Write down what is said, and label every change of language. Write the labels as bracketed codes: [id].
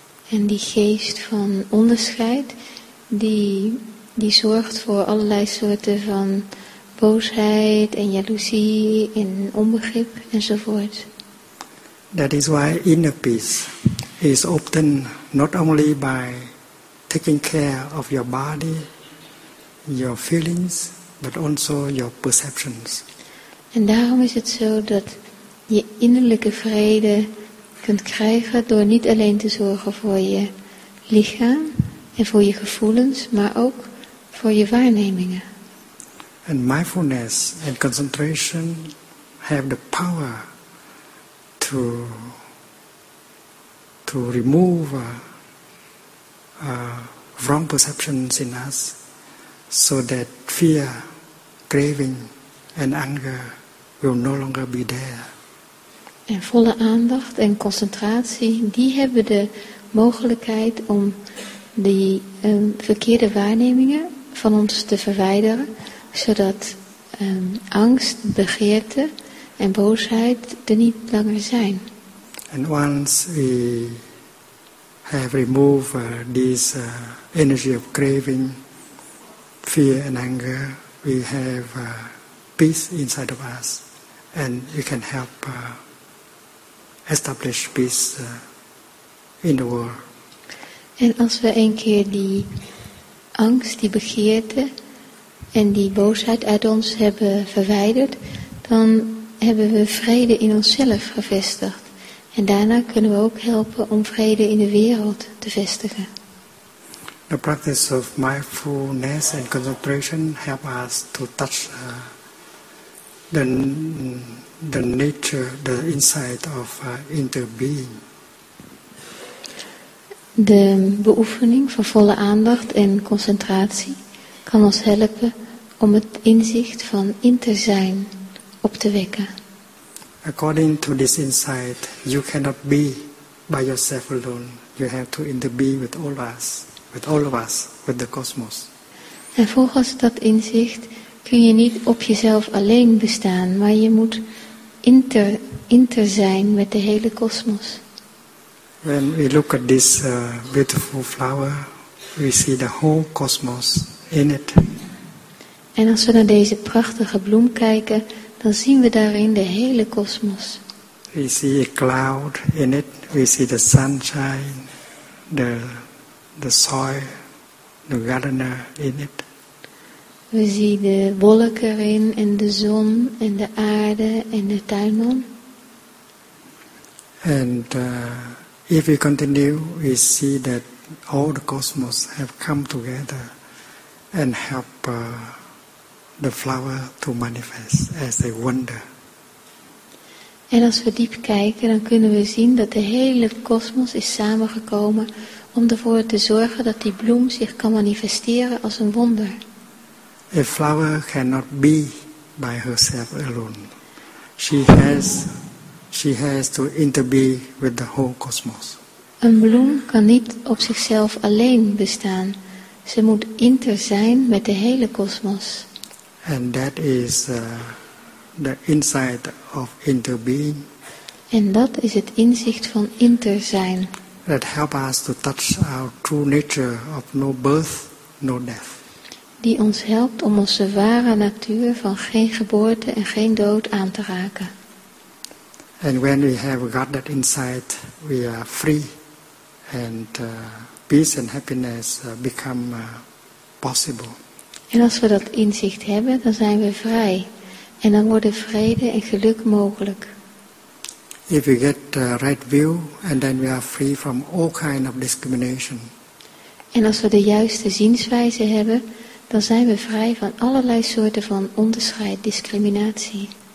[nl] En die geest van onderscheid, die zorgt voor allerlei soorten van boosheid en jaloezie en onbegrip enzovoort. [en] That is why inner peace is obtained not only by taking care of your body, your feelings, but also your perceptions. [nl] En daarom is het zo dat je innerlijke vrede kunt krijgen door niet alleen te zorgen voor je lichaam en voor je gevoelens, maar ook voor je waarnemingen. [en] And mindfulness and concentration have the power to remove wrong perceptions in us, so that fear, craving, and anger will no longer be there. [nl] En volle aandacht en concentratie, die hebben de mogelijkheid om die verkeerde waarnemingen van ons te verwijderen, zodat angst, begeerte en boosheid er niet langer zijn. [en] And once we have removed this energy of craving, fear and anger, we have peace inside of us, and we can help establish peace in the world. [nl] En als we een keer die angst, die begeerte en die boosheid uit ons hebben verwijderd, dan hebben we vrede in onszelf gevestigd. En daarna kunnen we ook helpen om vrede in de wereld te vestigen. [en] The practice of mindfulness and concentration help us to touch the nature, the insight of interbeing. [nl] De beoefening van volle aandacht en concentratie kan ons helpen om het inzicht van interzijn op te wekken. [en] According to this insight, you cannot be by yourself alone. You have to interbe with all us, with all of us, with the cosmos. [nl] En volgens dat inzicht kun je niet op jezelf alleen bestaan, maar je moet inter zijn met de hele kosmos. [en] When we look at this beautiful flower, we see the whole cosmos in it. [nl] En als we naar deze prachtige bloem kijken, dan zien we daarin de hele kosmos. [en] We see a cloud in it. We see the sunshine, the soil, the gardener in it. [nl] We zien de wolken erin en de zon en de aarde en de tuinman. [en] And if we continue, we see that all the cosmos have come together and help the flower to manifest as a wonder. [nl] En als we diep kijken, dan kunnen we zien dat de hele kosmos is samengekomen om ervoor te zorgen dat die bloem zich kan manifesteren als een wonder. [en] A flower cannot be by herself alone. She has to interbe with the whole cosmos. [nl] Een bloem kan niet op zichzelf alleen bestaan. Ze moet inter zijn met de hele kosmos. [en] And that is the insight of interbeing. [nl] En dat is het inzicht van inter zijn. [en] That help us to touch our true nature of no birth, no death. [nl] Die ons helpt om onze ware natuur van geen geboorte en geen dood aan te raken. [en] And when we have got that insight, we are free. And peace and happiness become possible. [nl] En als we dat inzicht hebben, dan zijn we vrij. En dan worden vrede en geluk mogelijk. [en] If we get the right view, and then we are free from all kinds of discrimination. [nl] En als we de juiste zienswijze hebben, dan zijn we vrij van allerlei soorten van onderscheid, discriminatie.